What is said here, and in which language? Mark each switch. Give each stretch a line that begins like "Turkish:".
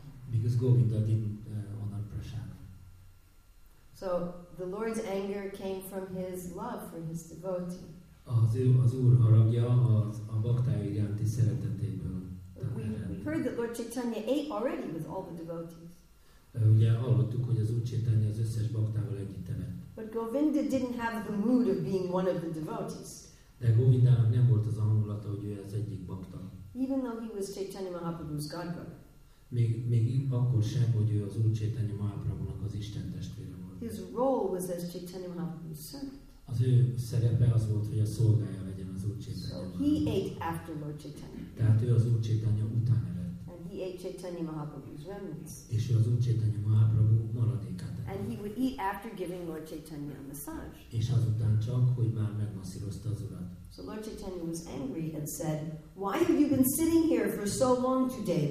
English: Because Govinda didn't honor Prasad. So the Lord's anger came from his love for his devotee.
Hungarian: Az Úr haragja a baktája iránti szeretetéből.
English: We heard that Lord Chaitanya ate already with all the devotees.
Hungarian: Ugye hallottuk, hogy az Úr Chaitanya az összes baktával együtt evett.
English: But Govinda didn't have the mood of being one of the devotees.
Hungarian: De Govindának nem volt az hangulata, hogy ő az egyik bakta.
English: Even though he was Chaitanya Mahaprabhu's godbrother.
Hungarian: Még akkor sem, hogy ő az Úr Chaitanya Mahaprabhu-nak az Isten testvére volt.
English: His role was as Chaitanya Mahaprabhu's servant.
Hungarian: Az ő szerepe az volt, hogy a szolgája legyen az Úr Chaitanya.
English: So he ate after Lord Chaitanya.
Hungarian: Tehát ő az Úr Chaitanya után evett.
English: And he ate Chaitanya Mahaprabhu's remnants.
Hungarian: És ő az Úr Chaitanya Mahaprabhu maradékát evett.
English: And he would eat after giving Lord Chaitanya a massage.
Hungarian: És azután csak, hogy már megmasszírozta az Urat.
English: So Lord Chaitanya was angry and said, "Why have you been sitting here for so long today?"